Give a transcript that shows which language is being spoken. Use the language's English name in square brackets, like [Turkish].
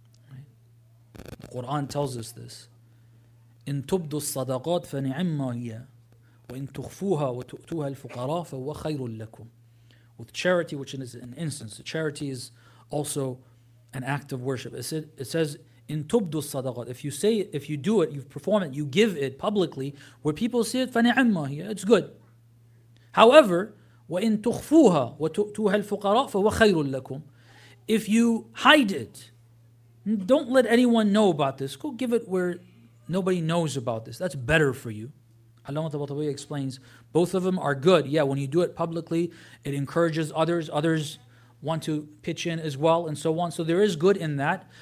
[English] Right? The Quran tells us this. [Arabic] إِن تُبْدُ الصَّدَقَاتِ فَنِعِمَّا هِيَا وَإِن تُخْفُوهَا وَتُؤْتُوهَا الْفُقَرَاءَ فَهُوَ خَيْرٌ لَكُمْ. [English] With charity, which is an instance. Charity is also an act of worship. It says, [Arabic] إِن تُبْدُ الصَّدَقَاتِ. [English] If you do it, you perform it, you give it publicly, where people see it, [Arabic] فَنِعِمَّا هِيَا. [English] It's good. However, [Arabic] وَإِنْ تُخْفُوهَا وَتُؤْتُوهَا الْفُقَرَاءَ فَهُوَ خَيْرٌ لَكُمْ. [English] If you hide it, don't let anyone know about this. Go give it where nobody knows about this. That's better for you. Allama Tabatabai explains, both of them are good. Yeah, when you do it publicly, it encourages others. Others want to pitch in as well, and so on. So there is good in that.